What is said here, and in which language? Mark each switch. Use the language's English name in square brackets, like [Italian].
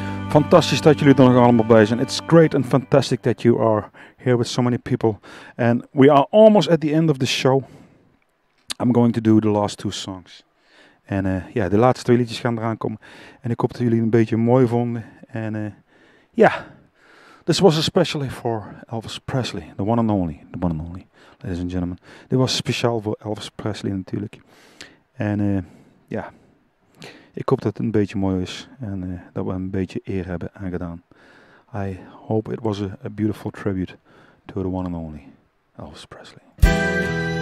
[Dutch] Fantastisch dat jullie er nog allemaal bij zijn. [English] It's great and fantastic that you are here with so many people. And we are almost at the end of the show. I'm going to do the last two songs. [Dutch] En ja, de laatste twee liedjes gaan eraan komen. En ik hoop dat jullie het een beetje mooi vonden. [English] En ja, this was especially for Elvis Presley. The one and only, the one and only, ladies and gentlemen. [Dutch] Dit was speciaal voor Elvis Presley natuurlijk. En ja, ik hoop dat het een beetje mooi is en dat we een beetje eer hebben aangedaan. [English] I hope it was a beautiful tribute to the one and only Elvis Presley. Mm-hmm.